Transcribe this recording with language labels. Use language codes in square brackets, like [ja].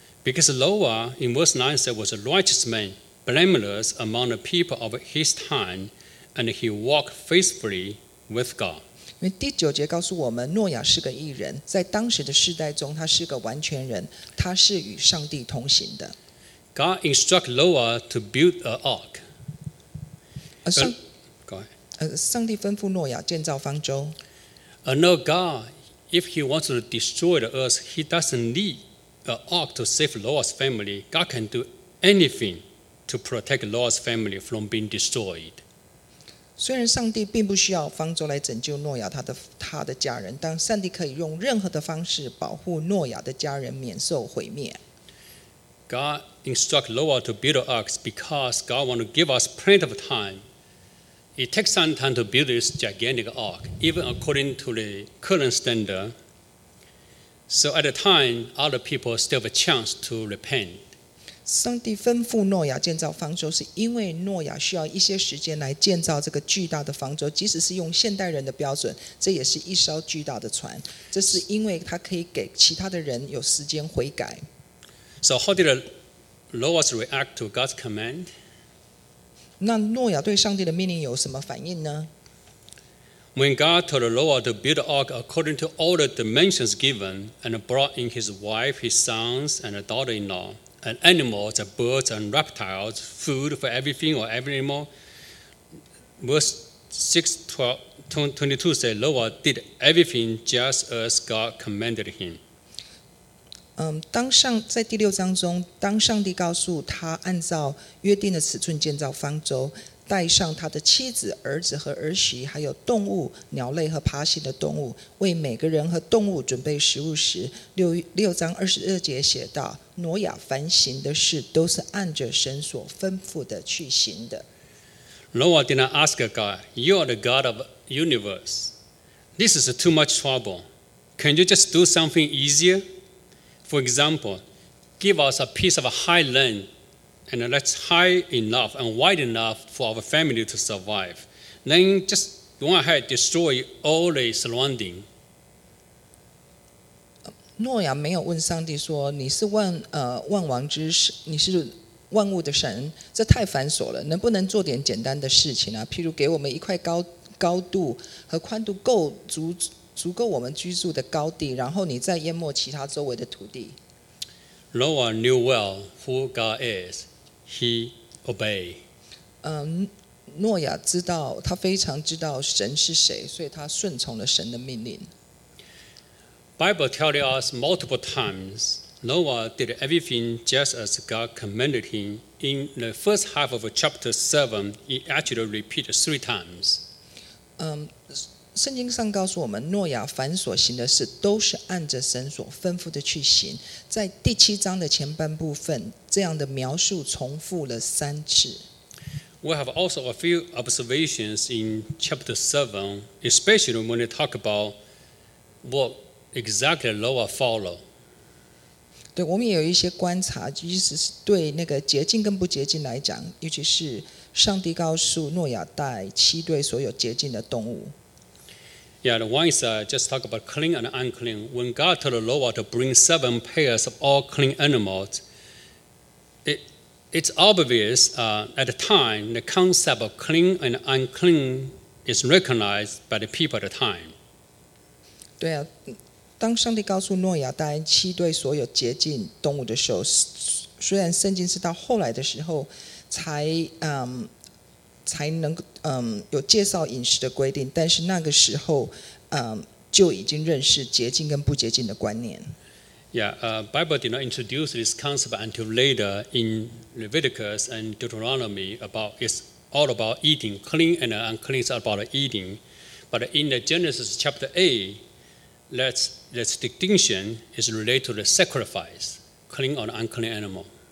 [en] Because Noah in verse 9 said was a righteous man, blameless among the people of his time, and he walked faithfully with God. [zh] 因为第九节告诉我们，诺亚是个义人，在当时的世代中，他是个完全人，他是与上帝同行的。 [en] God instructed Noah to build an ark. [zh] 上帝吩咐诺亚建造方舟。 [en] Know God, if he wants to destroy the earth, he doesn't need an ark to save Noah's family. God can do anything to protect Noah's family from being destroyed. [zh] 虽然上帝并不需要方舟来拯救诺亚他的家人，但上帝可以用任何的方式保护诺亚的家人免受毁灭。 [en] God instructed Noah to build an ark because God wants to give us plenty of time. It takes some time to build this gigantic ark, even according to the current standard. So at the time, other people still have a chance to repent. [zh] 上帝吩咐诺亚建造方舟，是因为诺亚需要一些时间来建造这个巨大的方舟。即使是用现代人的标准，这也是一艘巨大的船。这是因为他可以给其他的人有时间悔改。 [en] So how did Noah react to God's command? [zh] 那诺亚对上帝的命令有什么反应呢？ [en] When God told Noah to build an ark according to all the dimensions given and brought in his wife, his sons, and a daughter-in-law, and animals, and birds, and reptiles, food for everything or every animal, verse 6:22 says Noah did everything just as God commanded him. [zh] 在第六章中，当上帝告诉他按照约定的尺寸建造方舟，带上他的妻子、儿子和儿媳，还有动物、鸟类和爬行的动物，为每个人和动物准备食物时，6:22写道：挪亚凡行的事都是按着神所吩咐的去行的。 [en] Noah did not ask God, "You are the God of universe. This is too much trouble. Can you just do something easier?" For example, give us a piece of a high land and that's high enough and wide enough for our family to survive. Then just go ahead, destroy all the surrounding. [zh] 诺亚没有问上帝说，你是万王之神，你是万物的神，这太繁琐了，能不能做点简单的事情啊？譬如给我们一块高度和宽度足够我们居住的高地，然后你再淹没其他周围的土地。 [en] Noah knew well who God is. He obeyed. [zh] 诺亚知道，他非常知道神是谁，所以他顺从了神的命令。 [en] Bible tells us multiple times Noah did everything just as God commanded him. In the first half of chapter 7, he actually repeated three times. [zh] 圣经上告诉我们，诺亚凡所行的事都是按着神所吩咐的去行。在第七章的前半部分，这样的描述重复了三次。 [en] We have also a few observations in chapter 7, especially when they talk about what exactly Noah followed. [zh] 对，我们也有一些观察，即使是对那个洁净跟不洁净来讲，尤其是上帝告诉诺亚带七对所有洁净的动物。 [en] Yeah, the one is just talk about clean and unclean. When God told Noah to bring seven pairs of all clean animals, it's obvious at the time the concept of clean and unclean is recognized by the people at the time. [zh] 对啊，当上帝告诉诺亚带七对所有洁净动物的时候，虽然圣经是到后来的时候才能有介绍饮食的规定，但是那个时候，就已经认识洁净跟不洁净的观念。 [en] Yeah, Bible did not introduce this concept until later in Leviticus and Deuteronomy about it's all about eating, clean and unclean is about eating. But in the Genesis chapter 8, that distinction is related to the sacrifice, clean or unclean animal.